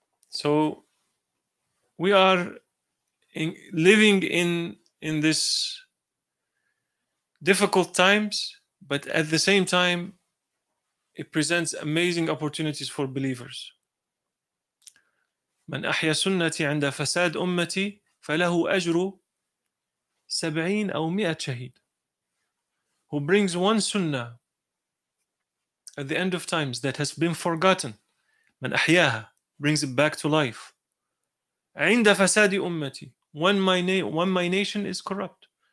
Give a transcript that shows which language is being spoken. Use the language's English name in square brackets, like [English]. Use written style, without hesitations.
[English] So we are living in this difficult times, but at the same time, it presents amazing opportunities for believers. [Arabic] من أحيى سنتي عند فساد أمتي فله أجر 70 أو 100 شهيد. [English] Who brings one sunnah at the end of times that has been forgotten, [Arabic] من أحياها, [English] brings it back to life. [Arabic] عند فساد أمتي, [English] when my nation is corrupt.